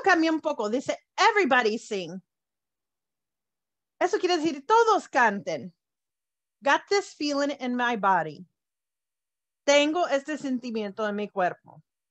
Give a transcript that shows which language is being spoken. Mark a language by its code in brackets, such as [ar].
[es] Un poco, dice [en] everybody sing. [es] Eso quiere decir todos canten. [en] Got this feeling in my body. [es] Tengo este sentimiento en mi cuerpo.